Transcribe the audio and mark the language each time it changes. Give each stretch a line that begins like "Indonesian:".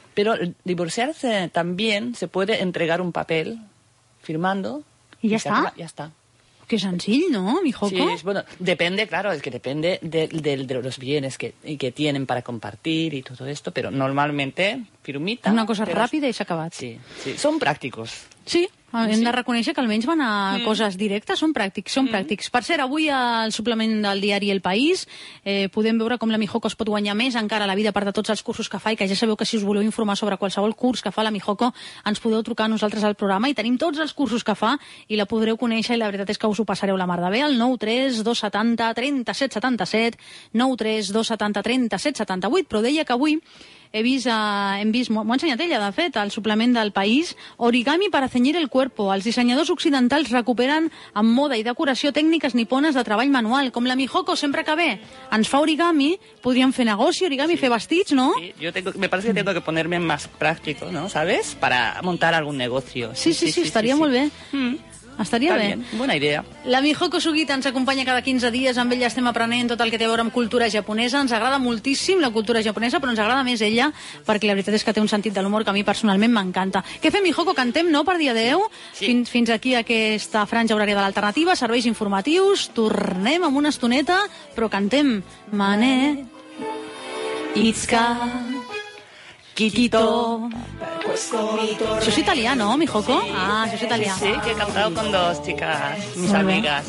Spanish: Pero divorciarse también se puede entregar un papel firmando. ¿Y ya está? Ya está. Qué sencillo, ¿no, Mijoco? Sí, bueno, depende, claro, es que depende de los bienes que tienen para compartir y todo esto, pero normalmente firmita. Una cosa rápida y se acaba. Sí, son prácticos.
Catalan: Sí, hem de reconèixer que almenys van a coses directes, són pràctics, són pràctics. Per cert, avui al suplement del diari El País podem veure com la Mijoco es pot guanyar més encara a la vida, a part de tots els cursos que fa, i que ja sabeu que si us voleu informar sobre qualsevol curs que fa la Mijoco, ens podeu trucar a nosaltres al programa i tenim tots els cursos que fa i la podreu conèixer, i la veritat és que us ho passareu la mar de bé. El 93-270-3777, 93-270-3778, però deia que avui hem vist, m'ho ha ensenyat ella, de fet, al suplement del País,
Spanish: origami para ceñir el cuerpo.
Catalan: Els dissenyadors occidentals recuperen amb moda i decoració tècniques nipones de treball manual. Com la Mijoco, sempre que ve, ens fa origami, podríem fer negoci, origami, fer vestits, no?
Spanish: Sí, me parece que tengo que ponerme más práctico, ¿no? ¿Sabes? Para montar algún negocio.
Catalan: Sí,
Spanish: estaría
Catalan: molt bé. Estaria bé. Bona idea. La Mijoco Sugita ens acompanya cada 15 dies. Amb ella estem aprenent tot el que té a veure amb cultura japonesa. Ens agrada moltíssim la cultura japonesa, però ens agrada més ella, perquè la veritat és que té un sentit de l'humor que a mi personalment m'encanta. Què fem, Mijoco? Cantem, no?, per dia 10? Sí. Fins aquí aquesta franja horària de l'Alternativa. Serveis informatius. Tornem amb una estoneta, però cantem. Mané, Itzka, Kikito. Això és italià, no, Mijoco? Ah, això és italià.
Spanish: Sí, que
Catalan: he cantat
Spanish: con dos chicas, mis amigas.